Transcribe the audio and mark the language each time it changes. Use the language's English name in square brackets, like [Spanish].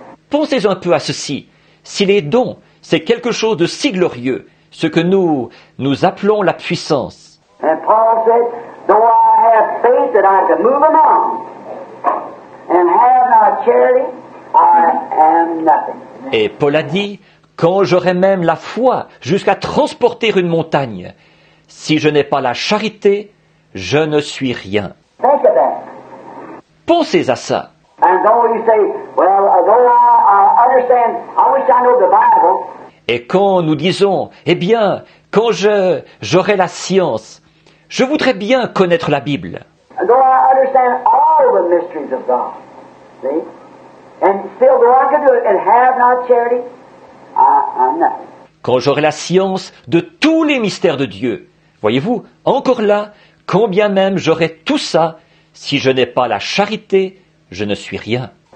[French] Pensez un peu à ceci. Si les dons, c'est quelque chose de si glorieux, ce que nous appelons la puissance. [English] And Paul said, though I have faith that I can move a mountain and have not charity, I am nothing. [French] Et Paul a dit, quand j'aurai même la foi jusqu'à transporter une montagne, si je n'ai pas la charité, Je ne suis rien. [English] Think of that. [French] Pensez à ça. [English] And though you say, well, though I understand, I wish I know the Bible. [French] Et quand nous disons, eh bien, quand j'aurai la science, je voudrais bien connaître la Bible. [English] And though I understand all the mysteries of God, see? And still, though I can do it and have not charity, I'm nothing. [French] Quand j'aurai la science de tous les mystères de Dieu. Voyez-vous, encore là, quand bien même j'aurai tout ça, si je n'ai pas la charité, je ne suis rien.